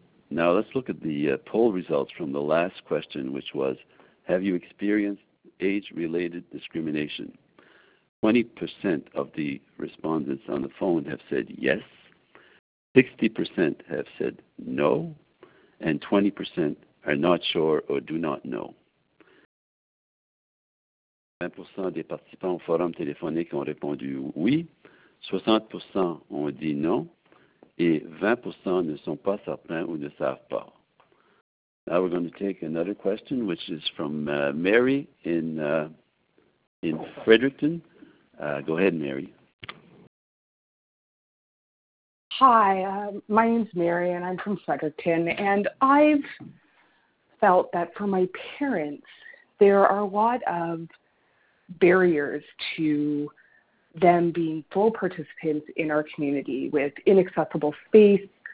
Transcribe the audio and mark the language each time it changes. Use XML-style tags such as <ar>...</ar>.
<en>Now let's look at the poll results from the last question, which was, have you experienced age-related discrimination? 20% of the respondents on the phone have said yes, 60% have said no, and 20% are not sure or do not know.</en> <fr>20% des participants au forum téléphonique ont répondu oui, 60% ont dit non, et 20% ne sont pas certains ou ne savent pas.</fr> <en>Now we're going to take another question, which is from Mary in Fredericton. Go ahead, Mary. Hi, my name's Mary, and I'm from Fredericton. And I've felt that for my parents, there are a lot of barriers to them being full participants in our community with inaccessible space.</en>